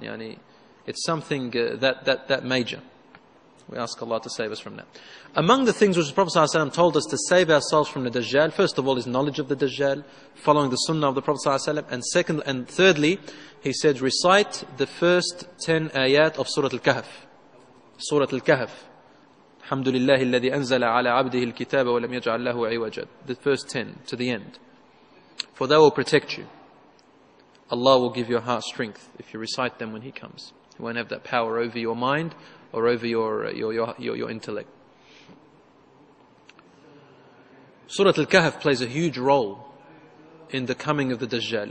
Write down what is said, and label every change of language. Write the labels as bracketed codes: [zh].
[en] Yani, it's something that major. We ask Allah to save us from that. Among the things which the Prophet ﷺ told us to save ourselves from the Dajjal, first of all, is knowledge of the Dajjal, following the Sunnah of the Prophet ﷺ, and thirdly, he said, recite the first 10 ayat of Surah Al-Kahf. Surah Al-Kahf. [ar] Alhamdulillah, الذي أنزل على عبده الكتاب ولم يجعل له عوجا. [en] The first 10 to the end. For that will protect you. Allah will give your heart strength if you recite them when He comes. He won't have that power over your mind or over your intellect. Surah Al-Kahf plays a huge role in the coming of the Dajjal.